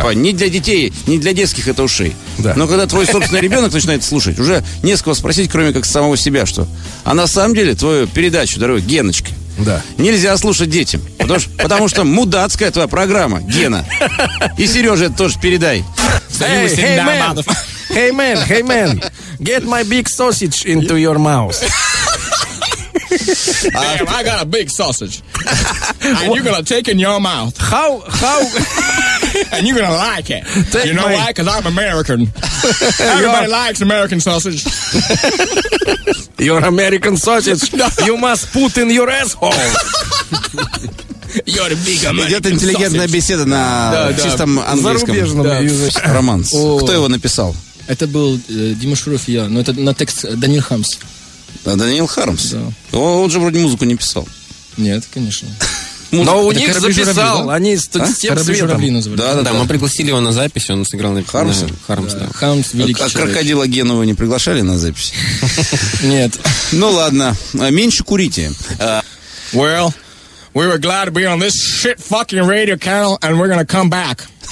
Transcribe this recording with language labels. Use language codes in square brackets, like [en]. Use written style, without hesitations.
[ru] Типа, не для детей, не для детских это ушей. Да. Но когда твой собственный ребенок начинает слушать, уже не с кого спросить, кроме как самого себя, что... А на самом деле твою передачу, дорогой Геночка, да, нельзя слушать детям. Потому что мудацкая твоя программа, Гена. И Сереже это тоже передай. [en] Hey man, get my big sausage into your mouth. Damn, I got a big sausage. And you're gonna take in your mouth. How? And you're gonna like it. Take you know my... why? Because I'm American. Everybody likes American sausage. Your American sausage. No. You must put in your asshole. [ru] Идет интеллигентная беседа на чистом английском. Зарубежном языке. Романс. Кто его написал? Это был Дима Шуров и я. Но это на текст Даниил Хармс. А Даниил Хармс? Да. Он же вроде музыку не писал. Нет, конечно. Но у них записал. Они с тем светом. Да. Мы пригласили его на запись. Он сыграл на Хармса. Хармс, да. Хармс великий человек. А крокодила Генова не приглашали на запись? Нет. Ну ладно. Меньше курите. [en] Well... We were glad to be on this shit fucking radio channel, and we're gonna come back.